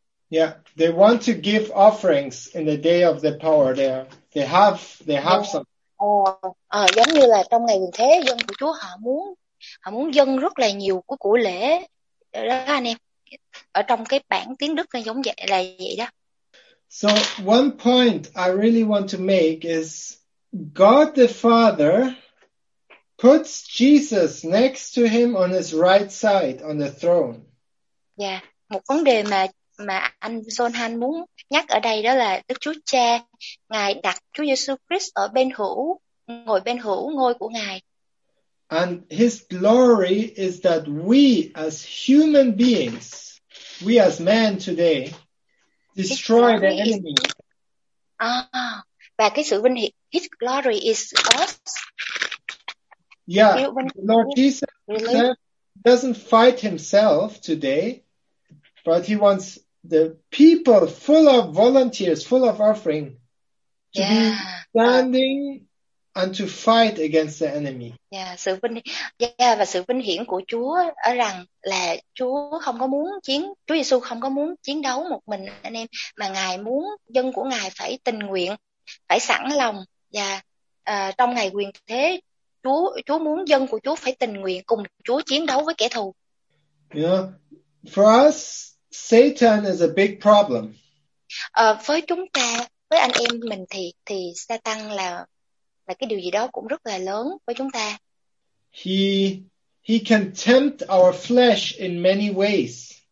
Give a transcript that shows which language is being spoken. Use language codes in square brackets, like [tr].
[en] Yeah, they want to give offerings in the day of the power. They have yeah. Some. [vi] Giống như là trong ngày quyền thế, dân của Chúa họ muốn dâng rất là nhiều của lễ đó anh em. Ở trong cái bản tiếng Đức nó giống vậy, là vậy đó. [en] So one point I really want to make is God the Father puts Jesus next to him on his right side on the throne. [vi] Yeah, một vấn đề mà anh John Han muốn nhắc ở đây đó là Đức Chúa Cha ngài đặt Chúa Giêsu Christ ở bên hữu, ngồi bên hữu ngôi của ngài. [en] And his glory is that we as human beings, we as men today, destroy the enemy. [vi] Và cái sự vinh hiển, [en] his glory is us. Yeah, Lord Jesus doesn't fight himself today, but he wants the people full of volunteers, full of offering, to be standing and to fight against the enemy. [vi] Và sự vinh hiển của Chúa ở rằng là Chúa Giêsu không có muốn chiến đấu một mình anh em, mà ngài muốn dân của ngài phải tình nguyện, phải sẵn lòng và trong ngày quyền thế, Chúa muốn dân của Chúa phải tình nguyện cùng Chúa chiến đấu với kẻ thù. [en] Yeah, for us. Satan is a big problem. [vi] Với chúng ta, với anh em mình thì Satan là cái điều gì đó cũng rất là lớn với chúng ta. [en] He can tempt our flesh in many ways.